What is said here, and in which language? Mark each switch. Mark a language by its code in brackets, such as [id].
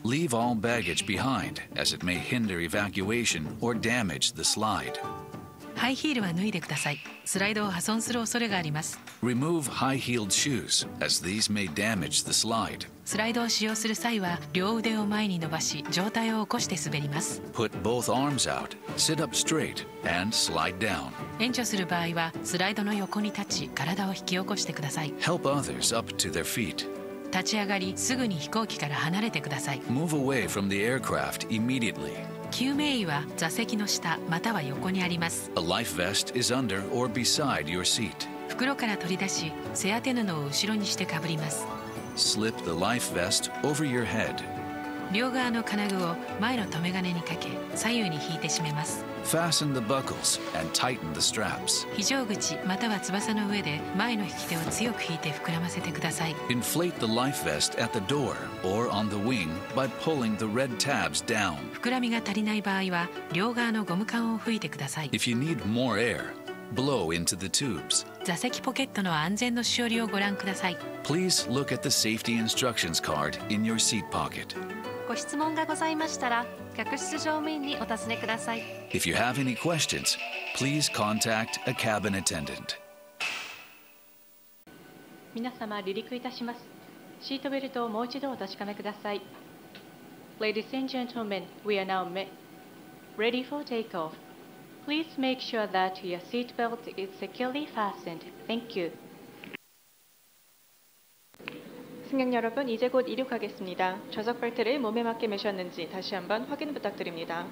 [en] Leave all baggage behind, as it may hinder evacuation or damage the slide. [ja] ハイヒールは脱いでください。スライドを破損する恐れがあります。 [en] Remove high-heeled shoes, as these may damage the slide. [ja] スライドを使用する際は両腕を前に伸ばし上体を起こして滑ります。 [en] Put both arms out, sit up straight, and slide down. [ja] 援助する場合はスライドの横に立ち体を引き起こしてください。 [en] Help others up to their feet. [ja] 立ち上がりすぐに飛行機から離れてください。 [en] Move away from the aircraft immediately. [ja] 救命衣は座席の下または横にあります。 [en] A life vest is under or beside your seat. [ja] 袋から取り出し背当て布を後ろにしてかぶります。 [en] Slip the life vest over your head. [ja] 両側の金具を前の留め金にかけ、左右に引いて締めます。 [en] Fasten the buckles and tighten the straps. [ja] 非常口または翼の上で前の引き手を強く引いて膨らませてください。 [en] Inflate the life vest at the door or on the wing by pulling the red tabs down. [ja] 膨らみが足りない場合は両側のゴム管を吹いてください。 [en] If you need more air, blow into the tubes. [ja] 座席ポケットの安全のしおりをご覧ください。 [en] Please look at the safety instructions card in your seat pocket. [ja] ご質問がございましたら、客室乗務員にお尋ねください。 [en] If you have any questions, please contact a cabin attendant. [ja] 皆様、離陸いたします。シートベルトをもう一度お確かめください。 [en] Ladies and gentlemen, we are now ready for takeoff. Please make sure that your seat belt is securely fastened. Thank you. [ko] 승객 여러분, 이제 곧 이륙하겠습니다. 좌석 벨트를 몸에 맞게 매셨는지 다시 한번 확인 부탁드립니다.